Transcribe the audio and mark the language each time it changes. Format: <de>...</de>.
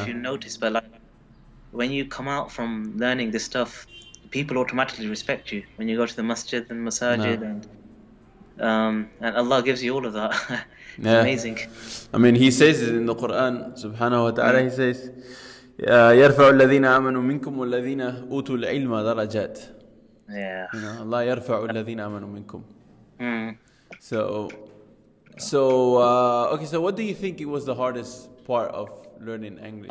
<en>if you notice, but like when you come out from learning this stuff, people automatically respect you when you go to the masjid and No. masajid, and Allah gives you all of that. It's Yeah. amazing. I mean, he says it in the Quran, subhanahu wa ta'ala, he says,</en> <ar>يَرْفَعُ الَّذِينَ آمَنُوا مِنْكُمْ وَالَّذِينَ أُوتُوا الْعِلْمَ دَرَجَاتٍ.</ar> <en>Yeah. You know,</en> <ar>Allah يَرْفَعُ الَّذِينَ آمَنُوا مِنْكُمْ.</ar> <en>Hmm. Okay, so what do you think it was the hardest part of learning English,</en>